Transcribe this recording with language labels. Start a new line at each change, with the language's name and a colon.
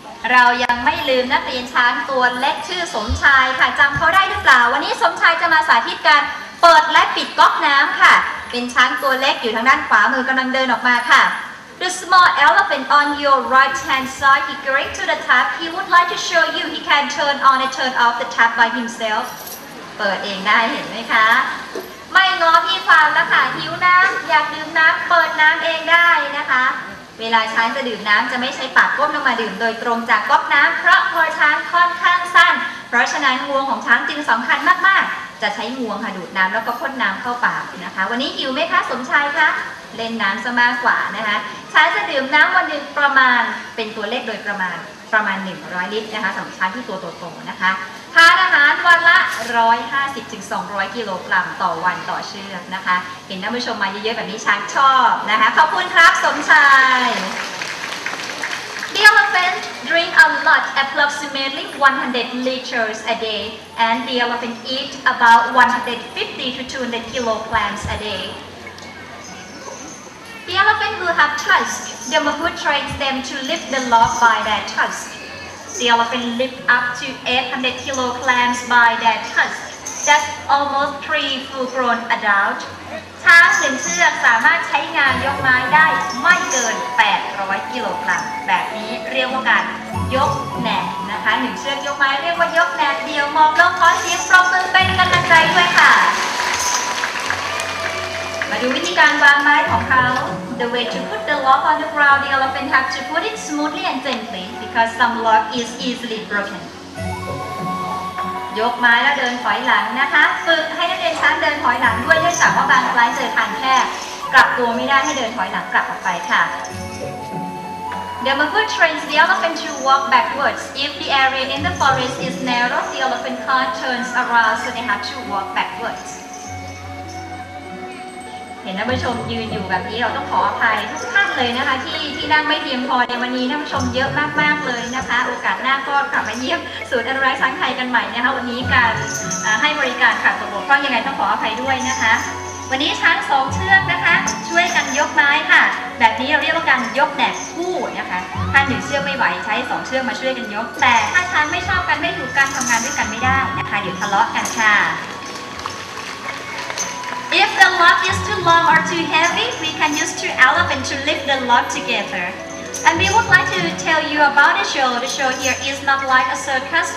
Thai: เรายังไม่ลืมนักเรียนช้างตัวเล็กชื่อสมชายค่ะจำเขาได้หรือเปล่าวันนี้สมชายจะมาสาธิตการเปิดและปิดก๊อกน้ำค่ะเป็นช้างตัวเล็กอยู่ทางด้านขวามือกำลังเดินออกมาค่ะ
English: The small elephant on your right hand side, he greets to the tap. He would like to show you he can turn on and turn off the tap by himself.
Thai: เปิดเองได้เห็นไหมคะไม่ง้อพี่ฟาร์มนะคะหิวน้ำอยากดื่มน้ำเปิดน้ำเองได้นะคะเวลาช้างจะดื่มน้ำจะไม่ใช้ปากก้มลงมาดื่มโดยตรงจากก๊อกน้ำเพราะช้างค่อนข้างสั้นเพราะฉะนั้นงวงของช้างจึงสำคัญมากๆจะใช้งวงค่ะดูดน้ำแล้วก็พ่นน้ำเข้าปากนะคะวันนี้หิวไหมคะสมชายคะ เล่นน้ำซะมากกว่านะคะช้างจะดื่มน้ำวันหนึ่งประมาณเป็นตัวเลขโดยประมาณ100ลิตรนะคะสำหรับช้างที่ตัวโตๆนะคะทานอาหารวันละ150ถึง200กิโลกรัมต่อวันต่อเชือกนะคะเห็นท่านผู้ชมมาเยอะๆแบบนี้ช้างชอบนะคะขอบคุณครับสมชาย
English: The elephant drink a lot, approximately 100 liters a day, and the elephant eat about 150 to 200 kilograms a day. The elephant will have tusks. The mahout trains them to lift the log by their tusks. The elephant lift up to 800 kilograms by their tusks. That's almost 3 full-grown adults.
Thai: ช้างหนึ่งเชือกสามารถใช้งานยกไม้ได้ไม่เกิน800กิโลกรัมแบบนี้เรียกว่าการยกแหนกนะคะหนึ่งเชือกยกไม้เรียกว่ายกแหนกเดียวมองโลกขอเสียงปรบมือเป็นกำลังใจด้วยค่ะ มาดูวิธีการวางไม้ของเขา
English: The way to put the log on the ground the elephant have to put it smoothly and gently because some log is easily broken
Thai: ยกไม้แล้วเดินถอยหลังนะคะฝึกให้นักเรียนช้างเดินถอยหลังด้วยเนื่องจากว่าบางครั้งเจอทางแคบกลับตัวไม่ได้ให้เดินถอยหลังกลับออกไปค่ะ
English: The mahout trains the elephant to walk backwards. If the area in the forest is narrow, the elephant can't turn around, so they have to walk backwards.
Thai: เห็นท่านผู้ชมยืนอยู่แบบนี้เราต้องขออภัยทุกท่านเลยนะคะที่นั่งไม่เพียงพอในวันนี้ท่านผู้ชมเยอะมากๆเลยนะคะโอกาสหน้าก็กลับมาเยี่ยมศูนย์อนุรักษ์ช้างไทยกันใหม่นะคะวันนี้การ ให้บริการขัดตกบกพร่องยังไงต้องขออภัยด้วยนะคะวันนี้ช้าง2เชือกนะคะช่วยกันยกไม้ค่ะแบบนี้เราเรียกว่าการยกแบบคู่นะคะถ้าหนึ่งเชือกไม่ไหวใช้2เชือกมาช่วยกันยกแต่ถ้าช้างไม่ชอบกันไม่ถูกกันทำงานด้วยกันไม่ได้นะคะเดี๋ยวทะเลาะกันค่ะ
English: If the log is too long or too heavy, we can use two elephants to lift the log together. And we would like to tell you about the show. The show here is not like a circus.